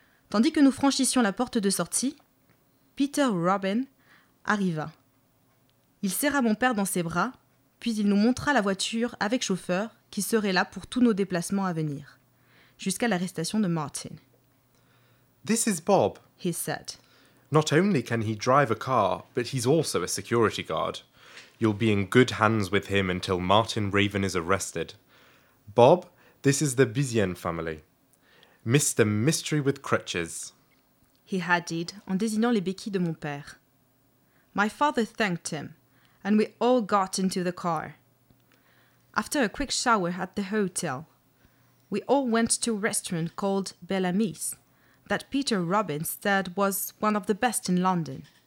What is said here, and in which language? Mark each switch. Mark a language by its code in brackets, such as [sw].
[fr] Tandis que nous franchissions la porte de sortie, Peter Robin arriva. Il serra mon père dans ses bras, puis il nous montra la voiture avec chauffeur qui serait là pour tous nos déplacements à venir, jusqu'à l'arrestation de Martin. [en] This is Bob, he said. Not only can he drive a car, but he's also a security guard. You'll be in good hands with him until Martin Raven is arrested. Bob, this is the Bizien family. Mr. Mystery with Crutches. He added, [fr] en désignant les béquilles de mon père. [en] My father thanked him, and we all got into the car. After a quick shower at the hotel, we all went to a restaurant called Bellamy's, that Peter Robbins said was one of the best in London.